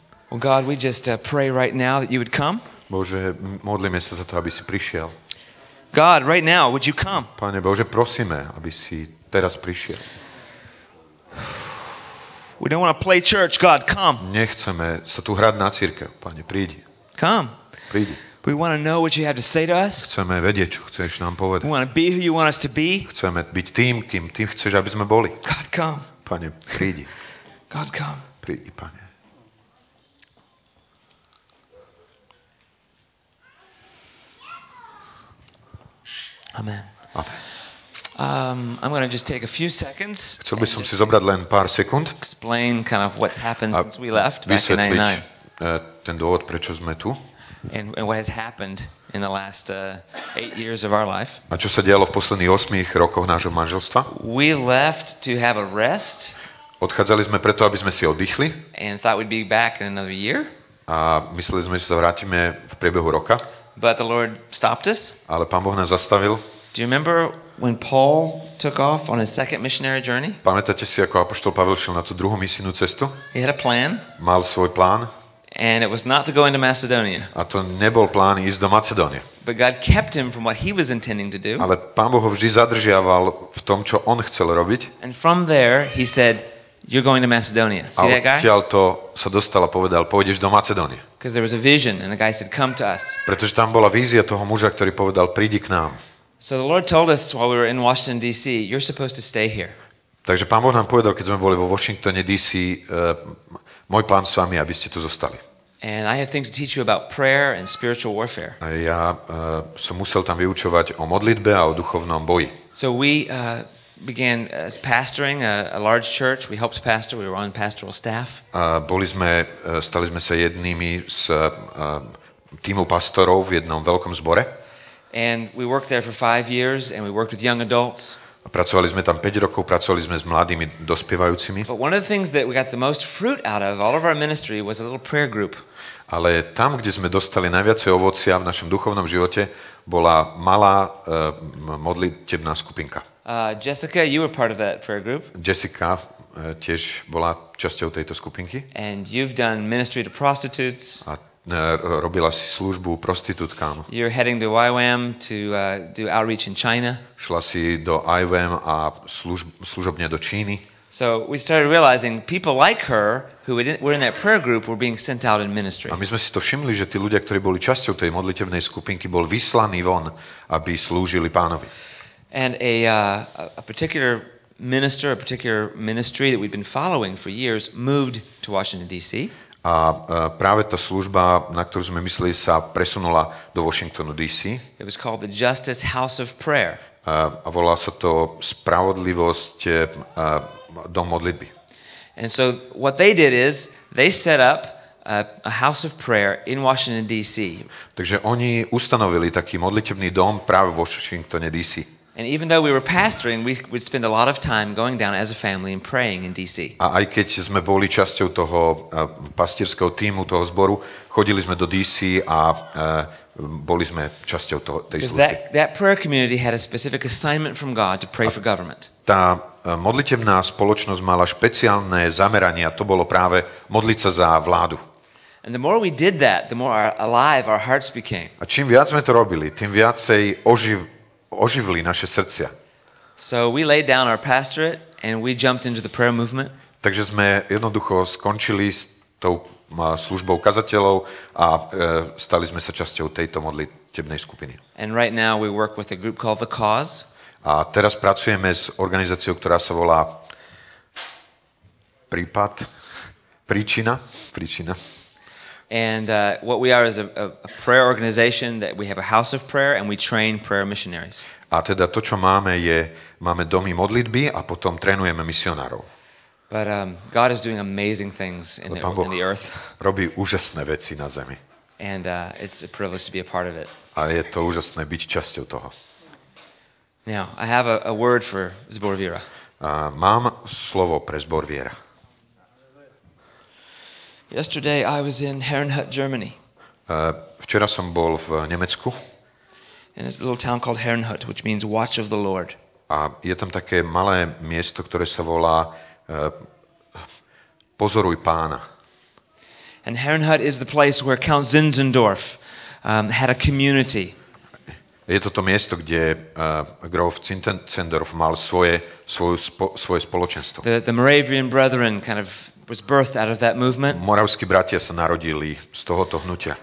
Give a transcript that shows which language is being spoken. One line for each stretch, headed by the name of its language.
English: Well, God, we just pray right now that you would come.
Slovak: Bože, modlíme sa za to, aby si prišiel.
English: God, right now, would you come?
Slovak: Pane Bože, prosíme, aby si teraz prišiel.
English: We don't want to play church, God, come.
Slovak: Nechceme sa tu hrať na cirkev, Pane, prídi.
English: Come.
Slovak: Prídi.
English: We want to know what you have to say to us.
Slovak: Chceme vedieť, čo chceš nám povedať.
English: We want to be who you want us to be.
Slovak: Chceme byť tým, kým ty chceš, aby sme boli.
English: God, come.
Slovak: Pane, prídi.
English: God, come.
Slovak: Prídi, Pane.
English: Amen.
Slovak: Amen.
English: I'm going to just take a few seconds.
Slovak: Chcel by som si zobrať len pár sekúnd.
English: Explain kind of what happened since we left back in 99.
Slovak: Vysvetliť ten dôvod, prečo sme tu.
English: And what has happened in the last 8 years of our life.
Slovak: A čo sa dialo v posledných 8 rokoch nášho manželstva?
English: We left to have a rest.
Slovak: Odchádzali sme preto, aby sme si oddychli.
English: And thought we'd be back in another year.
Slovak: A mysleli sme, že sa vrátime v priebehu roka.
English: But the Lord stopped us.
Slovak: Ale Pán Boh nás zastavil.
English: Do you remember when Paul took off on his second missionary journey?
Slovak: Pamätáte si, ako apoštol Pavel šiel na tú druhú misijnú cestu?
English: He had a plan.
Slovak: Mal svoj plán.
English: And it was not to go into Macedonia.
Slovak: A to nebol plán ísť do Macedónie.
English: But God kept him from what he was intending to do.
Slovak: Ale Pán Boh ho vždy zadržiaval v tom, čo on chcel robiť.
English: And from there he said, you're going to Macedonia. See that guy?
Slovak: Odtiaľ to sa dostal a povedal, pôjdeš do Macedónie.
English: Because there was a vision and a guy said, come to us.
Slovak: Pretože tam bola vízia toho muža, ktorý povedal, prídi k nám.
English: So the Lord told us while we were in Washington DC, you're supposed to stay here.
Slovak: Takže Pán Boh nám povedal, keď sme boli vo Washingtone DC, môj plán s vami, aby ste tu zostali.
English: And I have things to teach you about prayer and spiritual warfare.
Slovak: A ja som musel tam vyučovať o modlitbe a o duchovnom boji.
English: So we began as pastoring a large church. We helped pastor. We were on pastoral staff.
Slovak: Stali sme sa jednými z tímu pastorov v jednom veľkom zbore.
English: And we worked there for 5 years and we worked with young adults.
Slovak: Pracovali sme tam 5 rokov, pracovali sme s mladými dospievajúcimi.
English: But one of the things that we got the most fruit out of all of our ministry was a little prayer group.
Slovak: Ale tam, kde sme dostali najviac ovocia v našom duchovnom živote, bola malá modlitebná skupinka.
English: Jessica, you were part of that prayer group.
Slovak: Jessica tiež bola časťou tejto skupinky.
English: And you've done ministry to prostitutes.
Slovak: Robila si službu prostitútkám.
English: You're heading to YWAM to do outreach in China.
Slovak: Šla si do YWAM a služobne do Číny.
English: So we started realizing people like her who were in that prayer group were being sent out in ministry.
Slovak: A my sme si to všimli, že tí ľudia, ktorí boli časťou tej modlitevnej skupinky, bol vyslaní von, aby slúžili Pánovi.
English: And a particular minister, a particular ministry that we've been following for years moved to Washington DC.
Slovak: A práve tá služba, na ktorú sme mysleli, sa presunula do Washingtonu DC.
English: It was called the Justice House of Prayer.
Slovak: A volá sa to Spravodlivosť dom modlitby.
English: And so what they did is they set up a house of prayer in Washington DC.
Slovak: Takže oni ustanovili taký modlitebný dom práve vo Washingtone DC.
English: And even though we were pastoring, we would spend a lot of time going down as a family and praying in DC.
Slovak: A aj keď sme boli časťou toho pastierskeho tímu, toho zboru, chodili sme do DC a boli sme časťou toho, tej služby.
English: That prayer community had a specific assignment from God to pray for government.
Slovak: Tá modlitebná spoločnosť mala špeciálne zameranie, a to bolo práve modliť sa za vládu.
English: And the more we did that, the more alive our hearts became.
Slovak: A čím viac sme to robili, tým viacej oživili naše srdcia.
English: So we laid down our pastorate and we jumped into the prayer movement.
Slovak: Takže sme jednoducho skončili s tou službou kazateľov a stali sme sa časťou tejto modlitebnej skupiny.
English: And right now we work with a group called The Cause.
Slovak: A teraz pracujeme s organizáciou, ktorá sa volá Prípad, Príčina.
English: And what we are is a prayer organization that we have a house of prayer and we train prayer missionaries.
Slovak: A teda to, čo máme, je máme domy modlitby a potom trénujeme misionárov.
English: But God is doing amazing things in the earth.
Slovak: Robí úžasné veci na zemi.
English: And it's a privilege to be a part of it.
Slovak: A je to úžasné byť časťou toho.
English: Now, I have a word for Zbor Viera.
Slovak: Mám slovo pre Zbor Viera.
English: Yesterday I was in Herrenhut, Germany.
Slovak: Včera som bol v Nemecku.
English: In a little town called Herrenhut, which means watch of the Lord.
Slovak: A je tam také malé miesto, ktoré sa volá Pozoruj Pána.
English: And Herrenhut is the place where Count Zinzendorf had a community.
Slovak: Je to miesto, kde Grof Zinzendorf mal svoje spoločenstvo.
English: The Moravian Brethren kind of was birthed out of that movement.
Slovak: Moravskí bratia sa narodili z tohoto hnutia.